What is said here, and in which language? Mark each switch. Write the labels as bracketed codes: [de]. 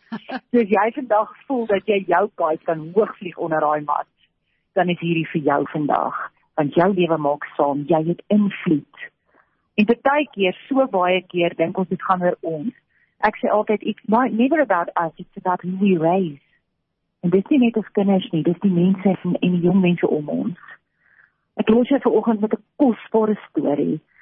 [af] So as jy vandag voel dat jy jou kaart kan hoog vlieg onder die mat, dan is hierdie vir jou vandag, want jou lewe maak saam, jy het invloed. En baie keer, so baie keer, dink ons dit gaan oor ons. Ek sê altyd, [en] it's never about us, it's about who we raise. [af] En dis nie net ons kinders nie, dis die mense en die jong mense om ons. Ek los jou vanoggend met 'n kosbare storie.